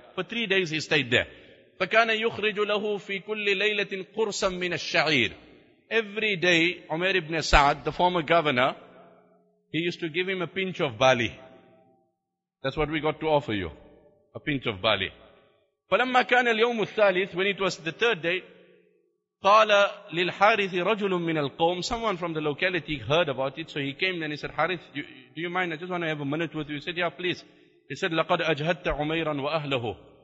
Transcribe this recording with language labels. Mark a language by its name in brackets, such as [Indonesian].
[English] For 3 days he stayed there. [Arabic] فَكَانَ يُخْرِجُ لَهُ فِي كُلِّ لَيْلَةٍ قُرْسًا مِنَ الشَّعِيرِ. [English] Every day, Umair ibn Sa'd, the former governor, he used to give him a pinch of barley. That's what we got to offer you, a pinch of barley. [Arabic] فَلَمَّا كَانَ الْيَوْمُ الثَّالِثِ, [English] when it was the third day, [Arabic] قَالَ لِلْحَارِثِ رَجُلٌ مِنَ الْقَوْمِ. [English] Someone from the locality heard about it, so he came and he said, Harith, do you mind? I just want to have a minute with you. He said, yeah, please. He said, [Arabic] لَقَدْ أَجْهَدْتَ عُمَيْرًا وَأَهْلَهُ.